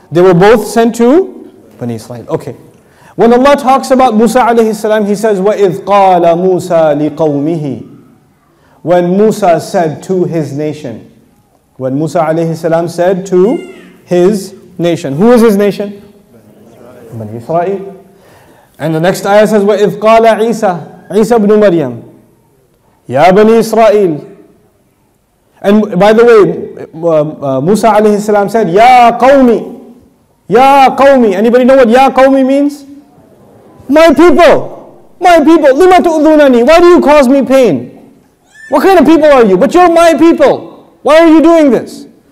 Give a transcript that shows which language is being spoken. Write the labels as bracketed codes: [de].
[en] They were both sent to Bani Israel. Okay. When Allah talks about Musa alayhi salam, He says, [ar] وَإِذْ قَالَ مُوسَى لِقَوْمِهِ. [en] When Musa said to his nation. When Musa alayhi salam said to his nation. Who is his nation? Bani Israel. And the next ayah says, [ar] وَإِذْ قَالَ عِيسَى عِيسَى بْنُ مَرْيَمْ يَا بَنِي إِسْرَائِيلِ. [en] And by the way, Musa alayhi salam said, [ar] يَا قَوْمِ يَا قَوْمِ. [en] Anybody know what [ar] يَا قَوْمِ [en] means? My people! My people! [ar] لِمَ تُؤْذُونَنِي. [en] Why do you cause me pain? What kind of people are you? But you're my people! Why are you doing this?